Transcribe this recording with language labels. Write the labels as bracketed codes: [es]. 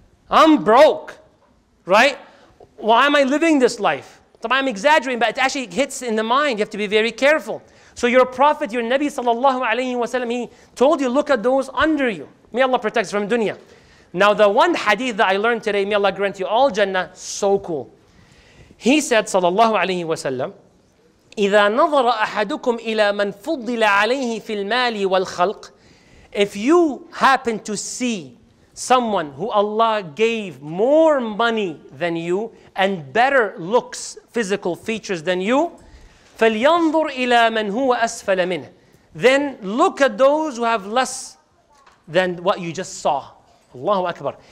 [en] I'm broke, right? Why am I living this life? I'm exaggerating, but it actually hits in the mind. You have to be very careful. So your Prophet, your Nabi sallallahu alayhi wa sallam, he told you, look at those under you. May Allah protect us from dunya. Now the one hadith that I learned today, may Allah grant you all Jannah, so cool. He said, [ar] sallallahu alayhi wa sallam, إِذَا نَظَرَ أَحَدُكُمْ إِلَى مَنْ فُضِّلَ عَلَيْهِ فِي الْمَالِ وَالْخَلْقِ. [en] If you happen to see someone who Allah gave more money than you and better looks, physical features than you, [ar] فَلْيَنْظُرْ إِلَى مَنْ هُوَ أَسْفَلَ مِنْهِ. [en] Then look at those who have less than what you just saw. Allahu Akbar.